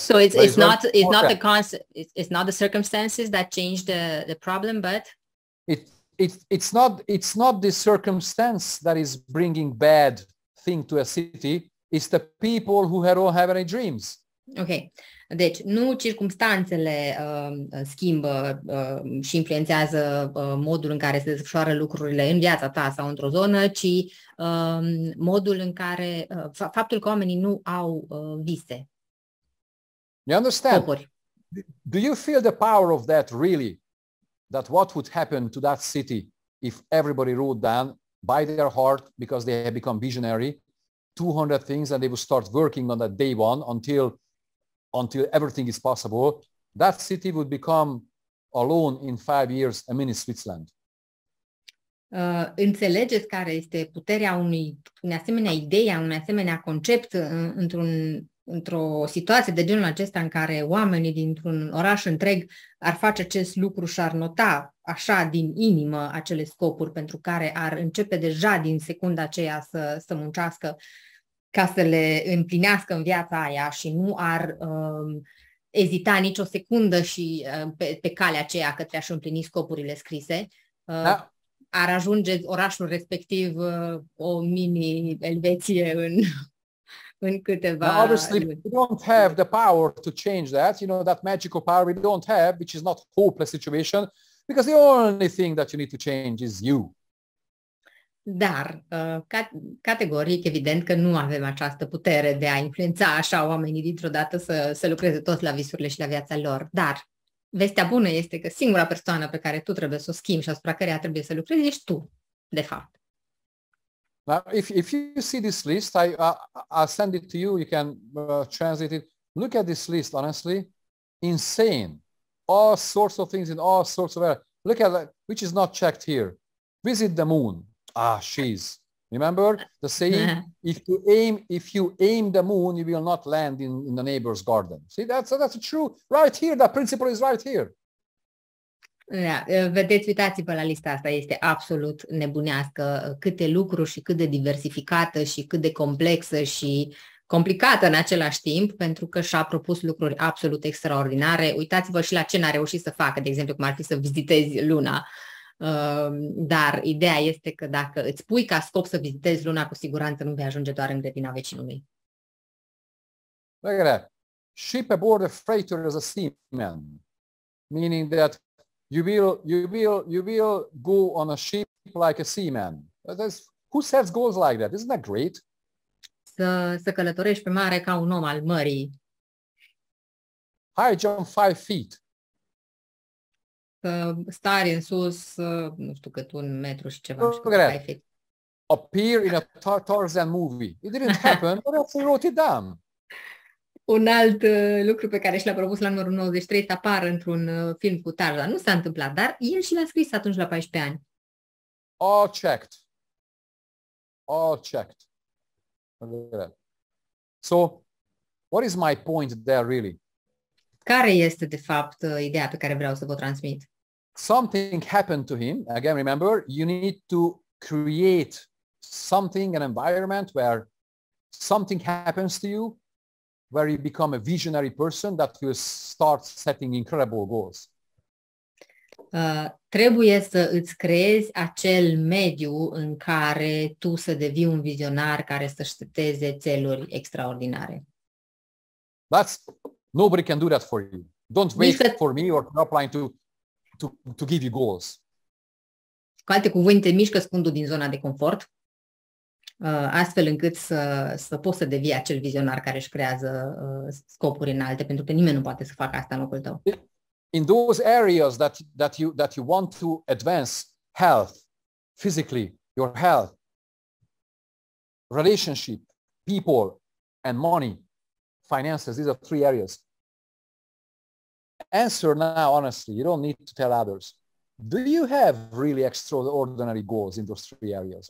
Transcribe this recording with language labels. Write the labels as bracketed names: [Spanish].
[English] So it's not the circumstances that change the problem, but it's not the circumstance that is bringing bad thing to a city. It's the people who had all have any dreams. Okay. [Romanian] Deci nu circumstanțele schimbă și influențează modul în care se desfășoară lucrurile în viața ta sau într-o zonă, ci modul în care faptul că oamenii nu au vise. [English] You understand? Topuri. Do you feel the power of that really? That what would happen to that city if everybody wrote down by their heart because they have become visionary 200 things and they would start working on that day one until everything is possible, that city would become alone in 5 years a mini Switzerland. [Romanian] Înțelegeți care este puterea unei asemenea idei, unui asemenea concept într-o situație de genul acesta în care oamenii dintr-un oraș întreg ar face acest lucru și ar nota așa din inimă acele scopuri pentru care ar începe deja din secunda aceea să muncească ca să le împlinească în viața aia și nu ar ezita nicio secundă și pe calea aceea către a-și împlini scopurile scrise, ar ajunge orașul respectiv o mini-Elveție în câteva. [English] Now, obviously, we don't have the power to change that, you know, that magical power we don't have, which is not hopeless situation, because the only thing that you need to change is you. [Romanian] Dar, categoric, evident că nu avem această putere de a influența așa oamenii dintr-o dată să lucreze toți la visurile și la viața lor. Dar, vestea bună este că singura persoană pe care tu trebuie să o schimbi și asupra căreia trebuie să lucrezi, ești tu, de fapt. [English] Now, if you see this list, I'll send it to you, you can translate it. Look at this list, honestly, insane. All sorts of things in all sorts of areas. Look at, which is not checked here. Visit the moon. Ah, she's. Remember the saying, if you aim the moon, you will not land in the neighbor's garden. See, that's true. Right here, that principle is right here. [Romanian] Da, vedeți, uitați-vă la lista asta, este absolut nebunească. Câte lucruri și cât de diversificată și cât de complexă și complicată în același timp, pentru că și-a propus lucruri absolut extraordinare. Uitați-vă și la ce n-a reușit să facă, de exemplu, cum ar fi să vizitezi luna. Dar ideea este că dacă îți pui ca scop să vizitezi luna, cu siguranță nu vei ajunge doar în grădina vecinului. [English] Look at that. Ship aboard a freighter as a seaman, meaning that you will go on a ship like a seaman. Who sets goals like that? Isn't that great? [Romanian] Să călătorești pe mare ca un om al mării. [English] High jump 5 feet. [Romanian] Stari în sus, nu știu cât, un metru și ceva. Și cât ai fit. [English] Appear in a Tarzan movie. It didn't happen, but else he wrote it down. [Romanian] Un alt lucru pe care și l-a propus la numărul 93, să apară într-un film cu Tarzan. Nu s-a întâmplat, dar el și l-a scris atunci la 14 ani. [English] All checked. All checked. Look at that. So, what is my point there really? [Romanian] Care este, de fapt, ideea pe care vreau să vă transmit? [English] Something happened to him. Again, remember, you need to create something, an environment where something happens to you, where you become a visionary person that you start setting incredible goals. [Romanian] Trebuie să îți creezi acel mediu în care tu să devii un vizionar care să-și seteze țeluri extraordinare. [English] Nobody can do that for you. Don't wait for me or Knopline to give you goals. [Romanian] Cu alte cuvinte, mișcă scundul din zona de confort, astfel încât să poți să devii acel vizionar care își creează scopuri înalte, pentru că nimeni nu poate să facă asta în locul tău. [English] In those areas that you want to advance health, physically, your health, relationship, people and money, finances, these are three areas. Answer now honestly, you don't need to tell others. Do you have really extraordinary goals in those three areas?